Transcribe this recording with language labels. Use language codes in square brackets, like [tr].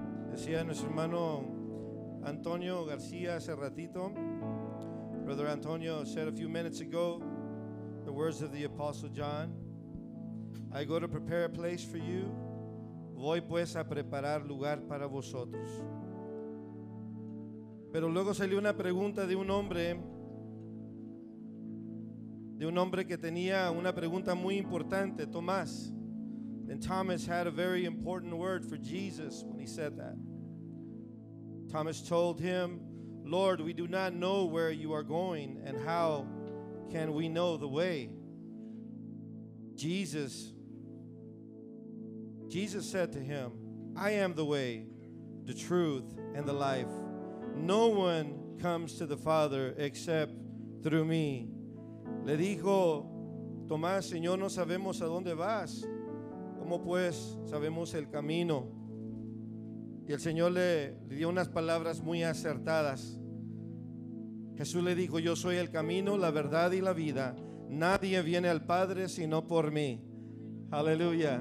[es] Decía nuestro hermano Antonio García hace ratito, [en] Brother Antonio said a few minutes ago, the words of the Apostle John, I go to prepare a place for you. [es] Voy pues a preparar lugar para vosotros. Pero luego salió una pregunta de un hombre que tenía una pregunta muy importante, Tomás. [en] And Thomas had a very important word for Jesus when he said that. Thomas told him, Lord, we do not know where you are going, and how can we know the way? Jesus said to him, I am the way, the truth, and the life. No one comes to the Father except through me. [es] Le dijo Tomás, Señor, no sabemos a dónde vas. ¿Cómo pues sabemos el camino? Y el Señor le dio unas palabras muy acertadas. Jesús le dijo, yo soy el camino, la verdad y la vida. Nadie viene al Padre sino por mí. Aleluya.